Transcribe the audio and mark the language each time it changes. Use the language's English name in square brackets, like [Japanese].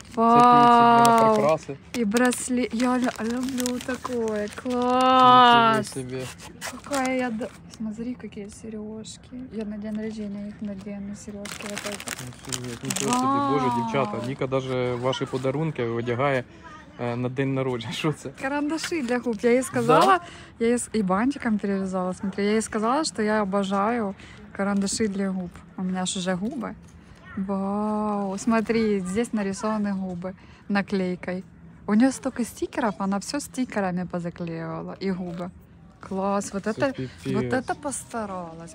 [Russian] Вау. И браслет. Я люблю такое. Класс. Себе. Какая я... Смотри, какие сережки. Я на день рождения их надену. Сережки вот эти. Ничего себе. Боже, девчата. Ника даже ваши [Ukrainian] подарунки одягает. На день народження, що це? Карандаші для губ. Я їй сказала, да? Я їй... і бантиком перев'язала, смотри, я їй сказала, що я обожаю карандаші для губ. У мене ж вже губи. Вау, смотри, тут нарисовані губи наклейкою. У нього стільки стікерів, вона все стікерами позаклеювала, і губи. [Russian] Клас, вот це вот это постаралась.